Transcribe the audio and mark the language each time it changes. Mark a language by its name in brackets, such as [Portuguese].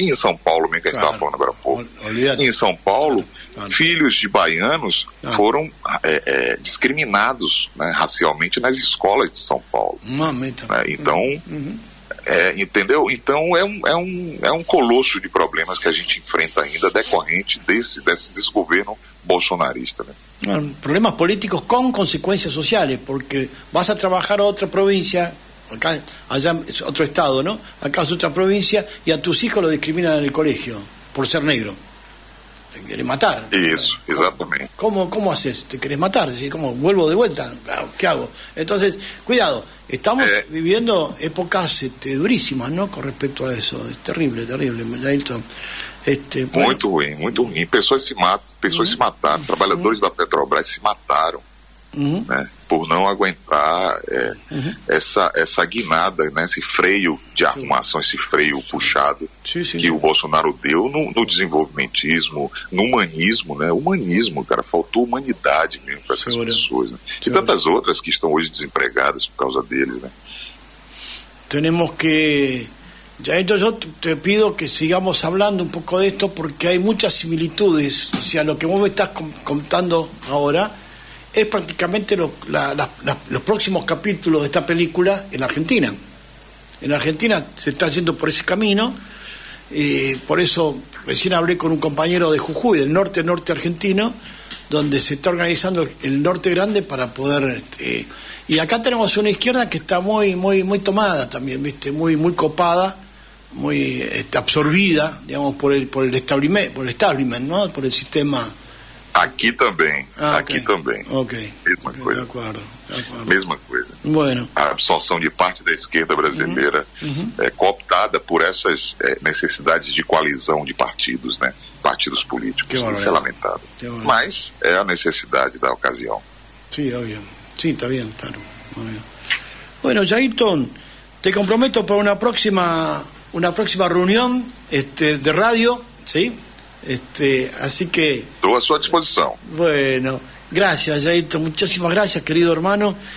[Portuguese] E em São Paulo, mesmo que a gente estava falando agora há pouco. Em São Paulo, filhos de baianos foram discriminados, né, racialmente nas escolas de São Paulo. Então, entendeu? Então é um colosso de problemas que a gente enfrenta ainda decorrente desse desgoverno bolsonarista, né? [Spanish] Problemas políticos con consecuencias sociales, porque vas a trabajar a otra provincia, acá, allá es otro estado, ¿no? Acá es otra provincia, y a tus hijos lo discriminan en el colegio por ser negro. Te quieren matar. Eso, exactamente. ¿Cómo haces? ¿Te querés matar? ¿Cómo vuelvo de vuelta? ¿Qué hago? Entonces, cuidado, estamos viviendo épocas durísimas, ¿no? Con respecto a eso. Es terrible, terrible, Milton. [Portuguese] Muito ruim, muito ruim. Pessoas se matam, pessoas se mataram, trabalhadores da Petrobras se mataram, né, por não aguentar essa guinada, né, esse freio de arrumação, esse freio puxado o Bolsonaro deu no desenvolvimentismo, no humanismo, né? Humanismo, cara, faltou humanidade mesmo para essas pessoas. Né? E tantas outras que estão hoje desempregadas por causa deles. Né? Temos que. [Spanish] Ya, entonces yo te pido que sigamos hablando un poco de esto, porque hay muchas similitudes. O sea, lo que vos me estás contando ahora es prácticamente los próximos capítulos de esta película en Argentina. En Argentina se está yendo por ese camino, por eso recién hablé con un compañero de Jujuy, del norte argentino, donde se está organizando el norte grande para poder... Y acá tenemos una izquierda que está muy muy muy tomada también, viste, muy muy copada, muy absorbida, digamos, por el establishment, ¿no? Por el sistema. Aquí también. Aquí también. Okay. De acuerdo. [Portuguese] Mesma coisa. [Spanish] Bueno. [Portuguese] A absorção de parte da esquerda brasileira é cooptada por essas necessidades de coalizão de partidos, né? Partidos políticos. Que isso é lamentável. Mas é a necessidade da ocasião. Sim, óbvio. [Spanish] Sí, está bien, claro. Bueno, Yaitón, te comprometo para una próxima reunión de radio, ¿sí? Así que... Estoy a su disposición. Bueno, gracias, Yaitón, muchísimas gracias, querido hermano.